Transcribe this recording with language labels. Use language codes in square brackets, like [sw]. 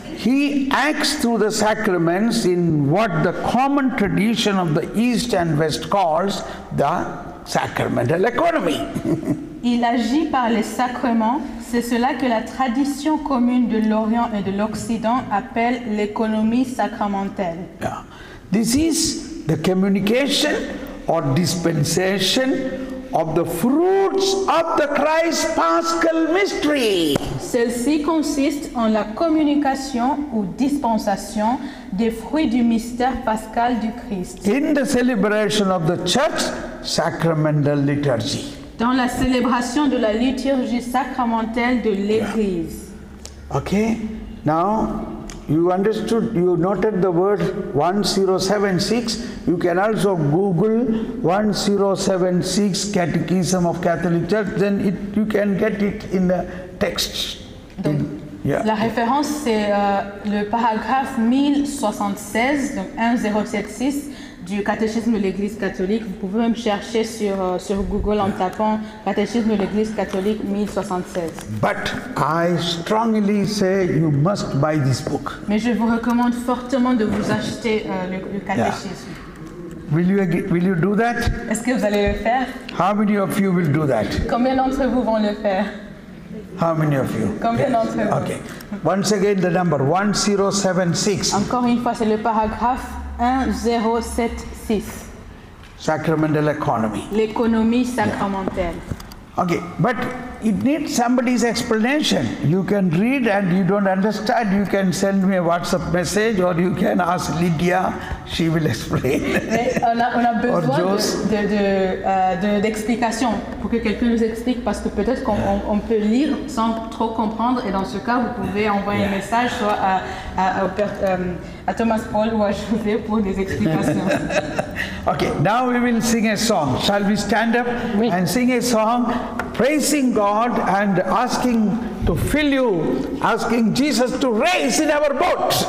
[en] He acts through the sacraments in what the common tradition of the East and West calls the sacramental economy. [fr] Il agit par les sacrements, c'est cela que la tradition commune de l'Orient et de l'Occident appelle l'économie sacramentelle. Yeah. [en] This is the communication or dispensation of the fruits of the Christ Paschal mystery. [fr] Celle-ci consiste en la communication ou dispensation des fruits du mystère pascal du Christ. [en] In the celebration of the church sacramental liturgy. [fr] Dans la célébration de la liturgie sacramentelle de l'Église. [en] Okay, now you understood, you noted the word 1076. You can also Google 1076 Catechism of Catholic Church, then you can get it in the text. [fr] La référence c'est le paragraphe 1076, donc 1076 du Catéchisme de l'Église catholique. Vous pouvez même chercher sur Google en tapant Catéchisme de l'Église catholique 1076. [en] But I strongly say you must buy this book. [fr] Mais je vous recommande fortement de vous acheter le Catéchisme. Yeah. [en] Will you do that? [fr] Est-ce que vous allez le faire? [en] How many of you will do that? [fr] Combien d'entre vous vont le faire? [en] How many of you? [fr] Combien d'entre vous? [en] Okay. Once again the number 1076. [fr] Encore une fois, c'est le paragraphe 1076. [en] Sacramental economy. [fr] L'économie sacramentelle. [en] Yeah. Okay, but it needs somebody's explanation. You can read and you don't understand, you can send me a WhatsApp message or you can ask Lydia, she will explain. [fr] On a besoin d'explication pour que quelqu'un nous explique, parce que peut-être qu'on on peut lire sans trop comprendre, et dans ce cas, vous pouvez envoyer un message soit à Thomas Paul ou à Jouvet pour des explications. [en] Okay, now we will sing a song. Shall we stand up and sing a song praising God and asking to fill you, asking Jesus to raise in our boat?